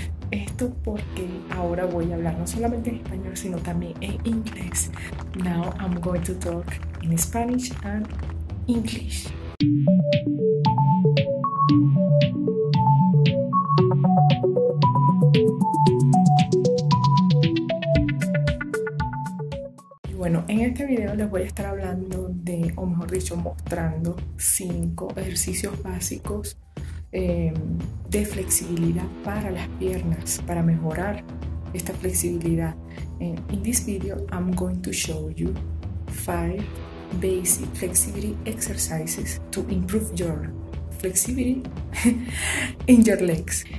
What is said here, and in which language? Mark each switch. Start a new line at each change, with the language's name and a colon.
Spanish: Esto porque ahora voy a hablar no solamente en español, sino también en inglés.
English: Now I'm going to talk in Spanish and English.
Spanish: En este video les voy a estar hablando de, o mejor dicho, mostrando cinco ejercicios básicos de flexibilidad para las piernas, para mejorar esta flexibilidad.
English: In this video, I'm going to show you five basic flexibility exercises to improve your flexibility in your legs.